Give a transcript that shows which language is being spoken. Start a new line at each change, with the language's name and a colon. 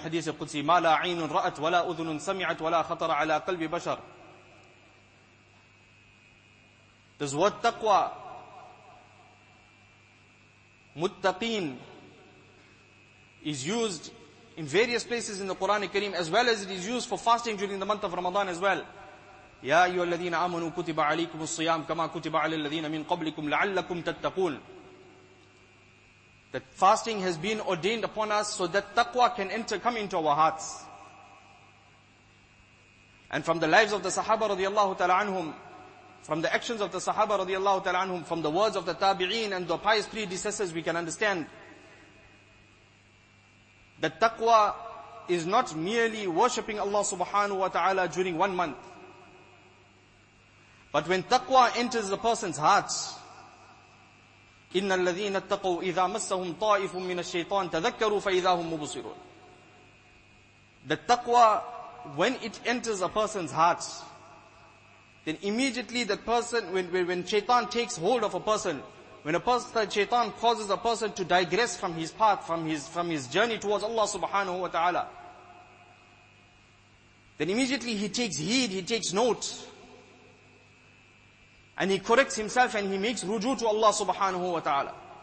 Arabic: حديث القدسي, ما لا عين رأت ولا أذن سمعت ولا خطر على قلب بشر.
English: This word taqwa, muttaqeen, is used in various places in the Quran Kareem, as well as it is used for fasting during the month of Ramadan as well.
Arabic: يَا أَيُّهَا الَّذِينَ آمَنُوا كُتِبَ عَلَيْكُمُ الصِّيَامُ كَمَا كُتِبَ عَلَى الَّذِينَ مِنْ قَبْلِكُمْ لَعَلَّكُمْ تَتَّقُونَ.
English: That fasting has been ordained upon us so that taqwa can come into our hearts. And from the lives of the Sahaba radiallahu ta'ala anhum, from the actions of the Sahaba radiallahu ta'ala anhum, from the words of the Tabi'een and the pious predecessors, we can understand that taqwa is not merely worshipping Allah subhanahu wa ta'ala during one month. But when taqwa enters the person's heart,
Arabic: إِنَّ الَّذِينَ اتَّقَوْا إِذَا مَسَّهُمْ طَائِفٌ مِّنَ الشَّيْطَانِ تَذَكَّرُوا فَإِذَا هُمْ مُبُصِرُونَ.
English: The taqwa, when it enters a person's heart, then immediately that person, when shaitan takes hold of a person, when a person, shaitan causes a person to digress from his path, from his journey towards Allah subhanahu wa ta'ala, then immediately he takes heed, he takes note, and he corrects himself and he makes rujoo to Allah subhanahu wa ta'ala.